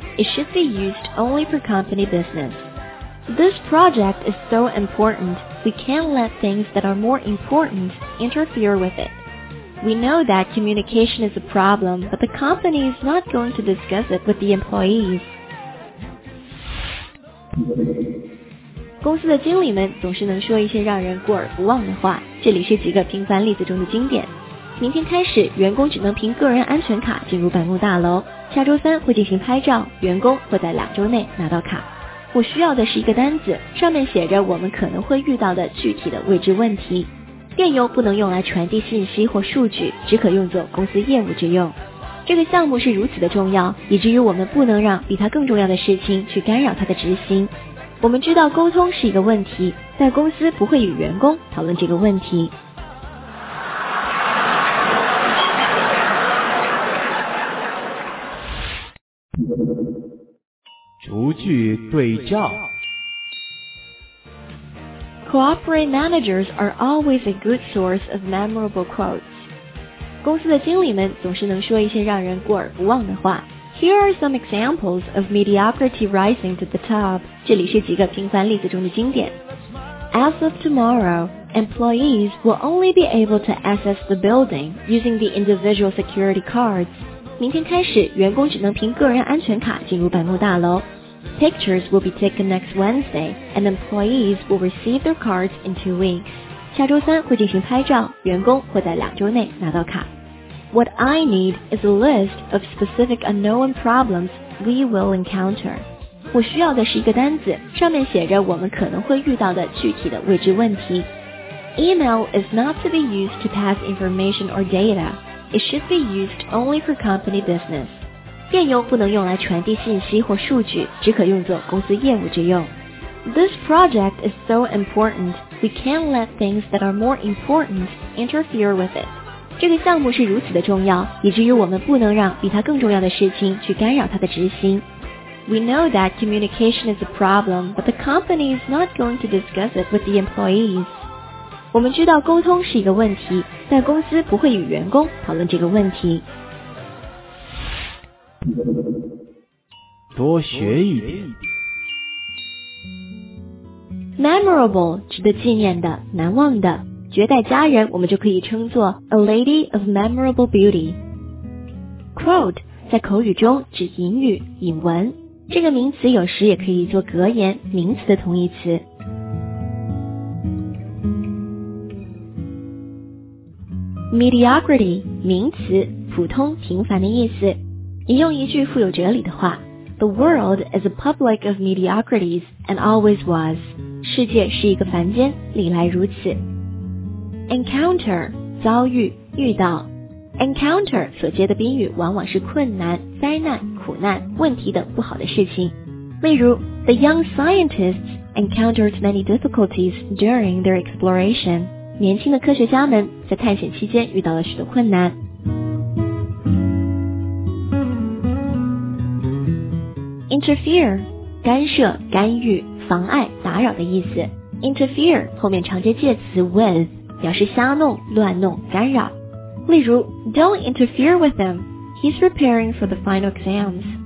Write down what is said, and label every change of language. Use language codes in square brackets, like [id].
[en] It should be used only for company business. This project is so important, we can't let things that are more important interfere with it. We know that communication is a problem, but the company is not going to discuss it with the employees. [zh] 公司的经理们总是能说一些让人过耳不忘的话，这里是几个平凡例子中的经典。明天开始，员工只能凭个人安全卡进入办公大楼。下周三会进行拍照，员工会在2周内拿到卡。我需要的是一个单子，上面写着我们可能会遇到的具体的未知问题。电邮不能用来传递信息或数据，只可用作公司业务之用。这个项目是如此的重要，以至于我们不能让比它更重要的事情去干扰它的执行。我们知道沟通是一个问题，但公司不会与员工讨论这个问题。逐句对照。 [en] Cooperate managers are always a good source of memorable quotes. [zh] 公司的经理们总是能说一些让人过耳不忘的话。 [en] Here are some examples of mediocrity rising to the top. [zh] 这里是几个平凡例子中的经典。 [en] As of tomorrow, employees will only be able to access the building using the individual security cards. [zh] 明天开始，员工只能凭个人安全卡进入办公大楼。 [en] Pictures will be taken next Wednesday, and employees will receive their cards in 2 weeks. [zh] 下周三会进行拍照，员工会在2周内拿到卡。 [en] What I need is a list of specific unknown problems we will encounter. [zh] 我需要的是一个单子，上面写着我们可能会遇到的具体的未知问题。 [en] Email is not to be used to pass information or data. It should be used only for company business. [zh] 电邮不能用来传递信息或数据，只可用作公司业务之用。 [en] This project is so important, we can't let things that are more important interfere with it. [zh] 这个项目是如此的重要，以至于我们不能让比它更重要的事情去干扰它的执行。 [en] We know that communication is a problem, but the company is not going to discuss it with the employees. [zh] 我们知道沟通是一个问题，但公司不会与员工讨论这个问题。多学一点。 Memorable 指的纪念的、难忘的。绝代佳人我们就可以称作 [en] A lady of memorable beauty. [zh] Quote 在口语中指引语、引文。这个名词有时也可以做格言、名词的同义词。 Mediocrity 名词，普通、平凡的意思。引用一句富有哲理的话 [en] The world is a public of mediocrities and always was. [zh] 世界是一个凡间，历来如此。 Encounter, 遭遇、遇到。 Encounter 所接的宾语往往是困难、灾难、苦难、问题等不好的事情。 [en] 例如 The young scientists encountered many difficulties during their exploration. [zh] 年轻的科学家们在探险期间遇到了许多困难。 [en] Interfere, [zh] 干涉、干预、妨碍、打扰的意思。 [en] Interfere, [zh] 后面常接介词 with, 表示瞎弄、乱弄、干扰。 [en] 例如 Don't interfere with him, he's preparing for the final exams.